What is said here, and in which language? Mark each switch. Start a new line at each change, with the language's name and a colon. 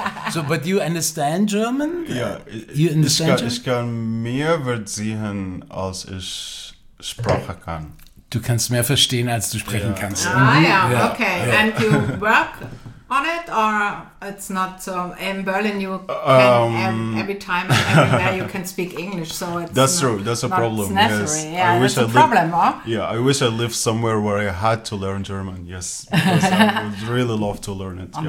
English: So, but you understand German? Yeah, you understand.
German: Ich kann mehr verstehen, als ich Sprache kann. Du kannst mehr verstehen, als du sprechen kannst.
English: And you work on it, or it's not so? In Berlin, you can every time, everywhere, you can speak English. So it's That's a problem. It's necessary. Yes. Yeah, that's a problem. Yeah, I wish I lived somewhere where I had to learn German. Yes, because I would really love to learn it.